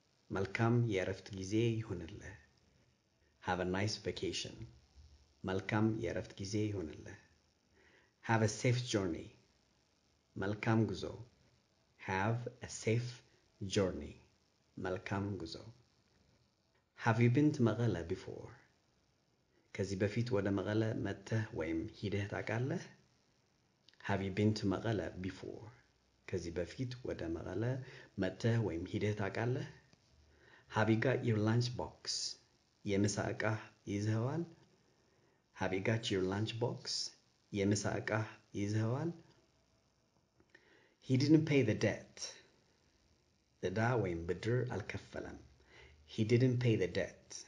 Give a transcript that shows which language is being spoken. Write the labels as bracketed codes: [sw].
[am] መልካም የእረፍት ጊዜ ይሁንልህ. [en] Have a nice vacation. [am] መልካም የእረፍት ጊዜ ይሁንልህ. [en] Have a safe journey. [am] መልካም ጉዞ. [en] Have a safe journey. [am] መልካም ጉዞ. [en] Have you been to መቀለ before? [am] ከዚህ በፊት ወደ መቀለ መጥተህ ወይም ሄደህ ታውቃለህ? [en] Have you been to መቀለ before? [am] ከዚህ በፊት ወደ መቀለ መጥተህ ወይም ሄደህ ታውቃለህ? [en] Have you got your lunch box? [am] የምሳ እቃ ይዘሃል? [en] Have you got your lunch box? [am] የምሳ እቃ ይዘሃል? [en] He didn't pay the debt. [am] እዳ ወይም ብድር አልከፈለም. [en] He didn't pay the debt.